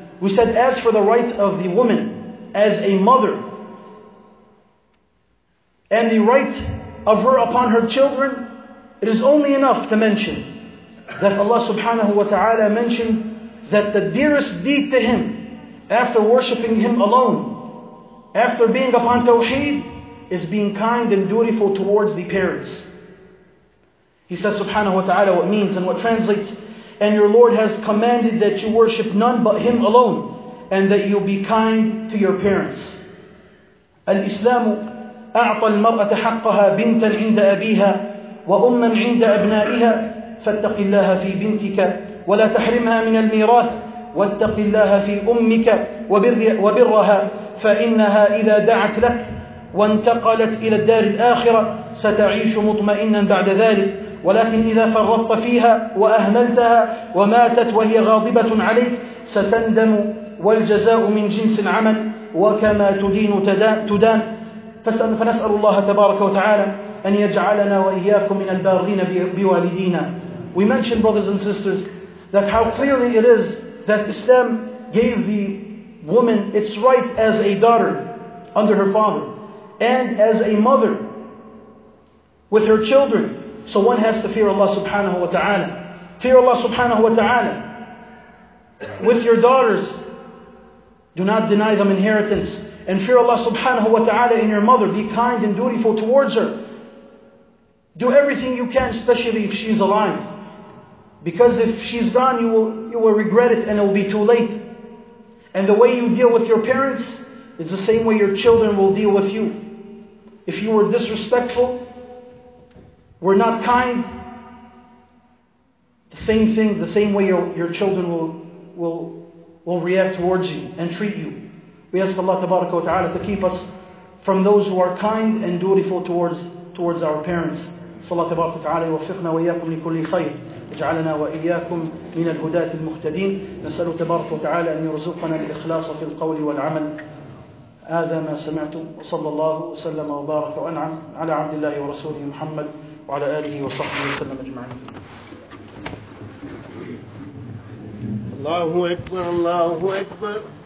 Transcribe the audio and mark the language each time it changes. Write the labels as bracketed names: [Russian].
[English] We said as for the right of the woman as a mother and the right of her upon her children, it is only enough to mention that Allah subhanahu wa ta'ala mentioned that the dearest deed to him after worshipping him alone, after being upon tawheed, is being kind and dutiful towards the parents. He says subhanahu wa ta'ala what means and what translates, and your Lord has commanded that you worship none but him alone, and that you'll be kind to your parents. [Arabic] Al-Islam أعطى المرأة حقها بنتا عند أبيها وأما عند أبنائها فاتق الله في بنتك ولا تحرمها من الميراث واتق الله في أمك وبرها فإنها إذا دعت لك وانتقلت إلى الدار الآخرة ستعيش مطمئنا بعد ذلك ولكن إذا فرطت فيها وأهملتها وماتت وهي غاضبة عليك ستندم والجزاء من جنس العمل وكما تدين تدان فنسأل الله تبارك وتعالى أن يجعلنا وإياكم من البارين بوالدينا. [English] We mentioned, brothers and sisters, that how clearly it is that Islam gave the woman its right as a daughter under her father and as a mother with her children. So one has to fear Allah subhanahu wa ta'ala. Fear Allah subhanahu wa ta'ala with your daughters. Do not deny them inheritance. And fear Allah subhanahu wa ta'ala in your mother. Be kind and dutiful towards her. Do everything you can, especially if she's alive. Because if she's gone, you will regret it and it will be too late. And the way you deal with your parents is the same way your children will deal with you. If you were disrespectful, were not kind, the same thing, the same way your children will react towards you and treat you. We ask Allah tabaraka wa ta'ala to keep us from those who are kind and dutiful towards our parents. [Arabic] Salat tabaraka wa ta'ala yuwaffiqna wa iyyakum li kulli khayr. اجعلنا وإياكم من الهداة المهتدين نسأل تبارك وتعالى أن يرزقنا الإخلاص في القول والعمل هذا ما سمعتم وصلى الله وسلم وبارك وأنعم على عبد الله ورسوله محمد وعلى آله وصحبه وسلم أجمعين الله أكبر الله أكبر